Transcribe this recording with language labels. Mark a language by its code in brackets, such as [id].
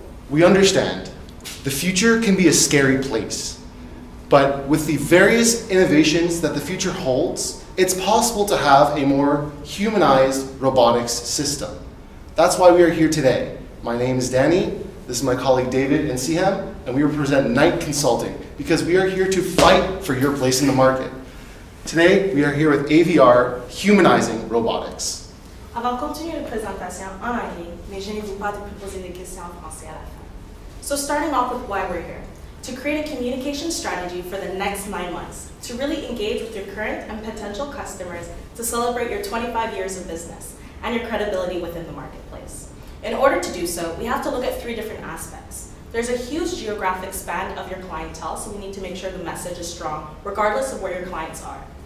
[en] We understand the future can be a scary place, but with the various innovations that the future holds, it's possible to have a more humanized robotics system. That's why we are here today. My name is Danny, this is my colleague David and Siham, and we represent Knight Consulting because we are here to fight for your place in the market. Today, we are here with AVR Humanizing Robotics. [fr] Avant de continuer la présentation en anglais, mais je ne vous pas de plus poser des questions en français à la fin. [en] So starting off with why we're here, to create a communication strategy for the next 9 months, to really engage with your current and potential customers to celebrate your 25 years of business and your credibility within the marketplace. In order to do so, we have to look at 3 different aspects. There's a huge geographic span of your clientele, so we need to make sure the message is strong, regardless of where your clients are.